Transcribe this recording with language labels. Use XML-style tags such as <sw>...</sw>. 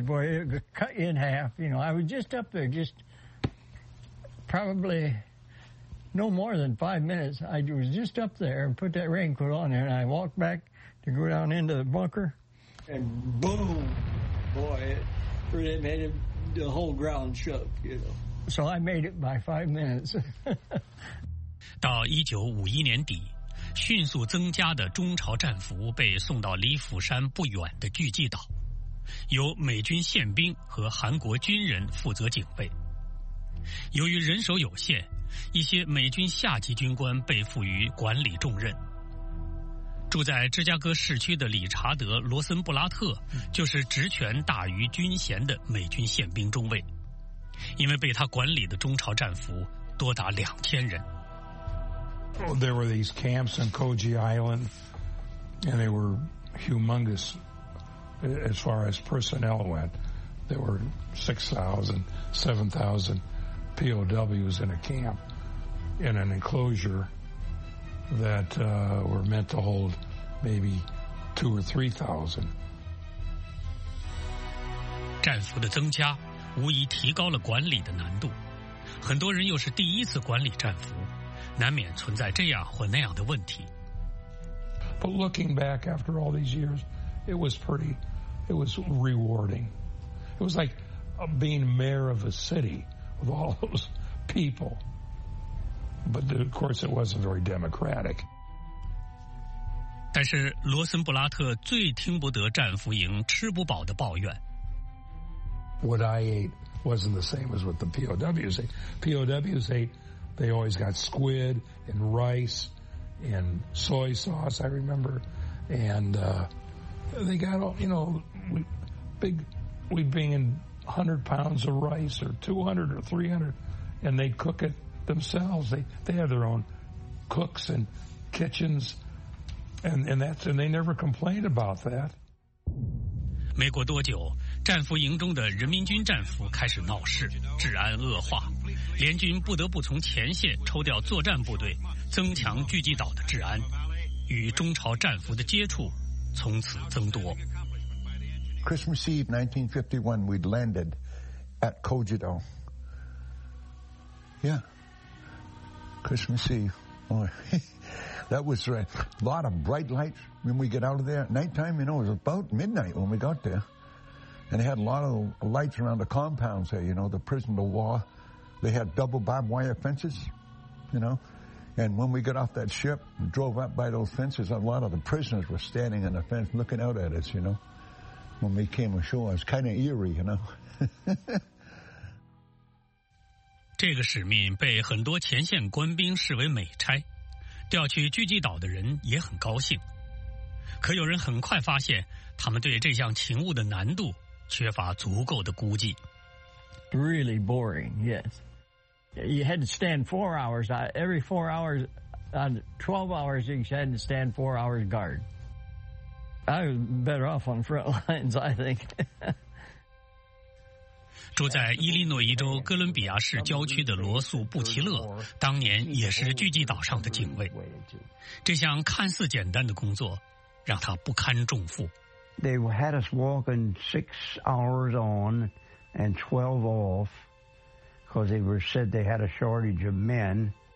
<en>Boy, it could cut you in half, you know. I was just up there, just probably no more than 5 minutes. I was just up there and put that raincoat on there, and I walked back to go down into the bunker. And boom, boy, it really made it, the whole ground shook, you know. So I made it by 5 minutes.</en> <zh>到1951年底，迅速增加的中朝战俘被送到李府山不远的巨济岛，由美军宪兵和韩国军人负责警备。由于人手有限，一些美军下级军官被赋予管理重任。住在芝加哥市区的理查德·罗森布拉特就是职权大于军衔的美军宪兵中尉，因为被他管理的中朝战俘多达2000人。</zh> <en>There were these camps on Koji Island, and they were humongous as far as personnel went. There were 6,000, 7,000 POWs in a camp, in an enclosure that were meant to hold maybe 2,000 or 3,000.</en> <zh>战俘的增加无疑提高了管理的难度，很多人又是第一次管理战俘，难免存在这样或那样的问题。</zh> <en>But looking back after all these years, it was pretty, it was rewarding. It was like being mayor of a city with all those people. But of course, it wasn't very democratic.</en> <zh>但是罗森布拉特最听不得战俘营吃不饱的抱怨。</zh> <en>What I ate wasn't the same as what the POWs ate. POWs ate, they always got squid and rice and soy sauce, I remember. And they got, all, you know, big, we'd bring in 100 pounds of rice or 200 or 300, and they'd cook it themselves. They had their own cooks and kitchens, and they never complained about that.</en> <zh>没过多久，战俘营中的人民军战俘开始闹事，治安恶化，联军不得不从前线抽调作战部队，增强聚集岛的治安，与中朝战俘的接触从此增多。</zh> <en>Christmas Eve 1951, we'd landed at Kojido. Yeah, Christmas Eve. Oh, that was a lot of bright lights when we get out of there. Nighttime, you know, it was about midnight when we got there. And they had a lot of lights around the compounds there, you know, the prison of war. They had double barbed wire fences, you know. And when we got off that ship and drove up by those fences, a lot of the prisoners were standing on the fence looking out at us, you know. When we came ashore, it was kind of eerie, you know.</en> <zh>这个使命被很多前线官兵视为美差，调去聚集岛的人也很高兴。可有人很快发现，他们对这项勤务的难度缺乏足够的估计。</zh> <en>Really boring, yes. You had to stand 4 hours. Every 4 hours, on 12 hours, you had to stand 4 hours guard. I was better off on front lines, I think.</en> <zh>住在伊利诺伊州哥伦比亚市郊区的罗素·布奇勒，当年也是聚集岛上的警卫。这项看似简单的工作让他不堪重负。</zh> <en>They had us walking 6 hours on and 12 off because they were said they had a shortage of men.</en>